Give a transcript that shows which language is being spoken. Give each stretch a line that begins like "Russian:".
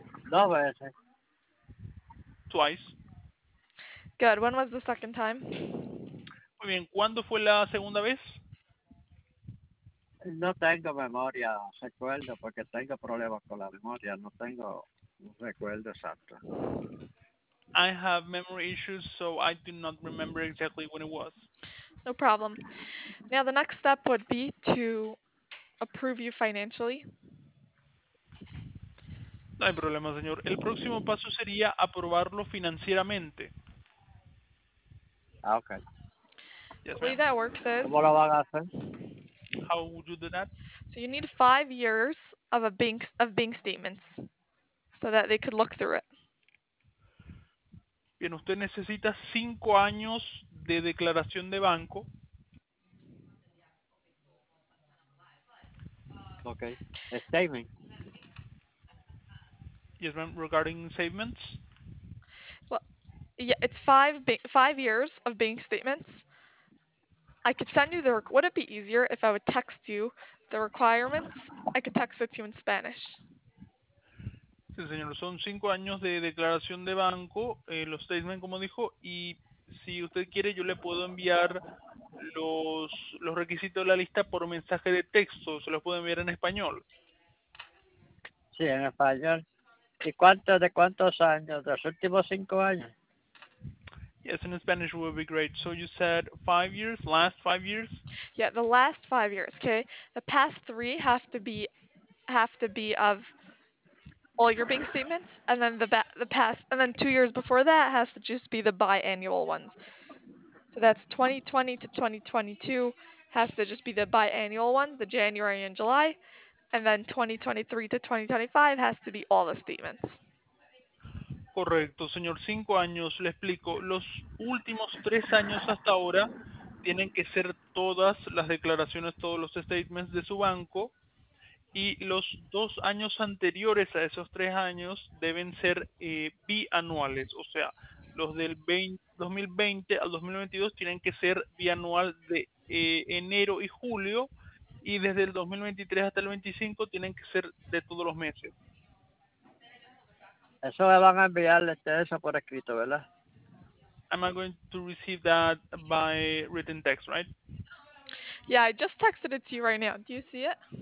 Spanish: Dos veces.
English: Twice. Good. When was the second time?
Spanish: Muy bien. ¿Cuándo fue la segunda vez? No tengo memoria, recuerdo, porque tengo problemas con la memoria. No tengo recuerdo exacto.
English: I have memory issues, so I do not remember exactly when it was. No problem. Now, the next step would be to approve you financially.
Spanish: No hay problema, señor. El próximo paso sería aprobarlo financieramente.
English: Ah, okay. Yes, the way that works is...
Spanish: ¿Cómo lo van a hacer?
English: How would you do that? So you need 5 years of bank statements so that they could look through it.
Spanish: Bien, usted necesita 5 años de declaración de banco.
English: Okay. A statement. Yes, ma'am. Regarding statements? Well, yeah, it's five years of bank statements. I could send you the... Would it be easier if I would text you the requirements? I could text it to you in Spanish.
Spanish: Sí, señor. Son 5 años de declaración de banco, los statements, como dijo, y si usted quiere, yo le puedo enviar los requisitos de la lista por mensaje de texto. Se los puedo enviar en español. Sí, en español. ¿Y cuántos de cuántos años? ¿De los últimos 5 años?
English: Yes, in Spanish would be great. So you said 5 years, last 5 years? Yeah, the last 5 years, okay? The past three have to be of all your bank statements, and then the past, and then 2 years before that has to just be the biannual ones. So that's 2020 to 2022 has to just be the biannual ones, the January and July. And then 2023 to 2025 has to be all the statements.
Spanish: Correcto, señor. 5 años, le explico. Los últimos 3 años hasta ahora tienen que ser todas las declaraciones, todos los statements de su banco. Y los 2 años anteriores a esos 3 años deben ser bianuales, o sea, los del 2020 al 2022 tienen que ser bianual de enero y julio, y desde el 2023 hasta el 25 tienen que ser de todos los meses. Eso me van a enviarle eso por escrito, ¿verdad?
English: I'm going to receive that by written text, right? Yeah, I just texted it to you right now. Do you see it?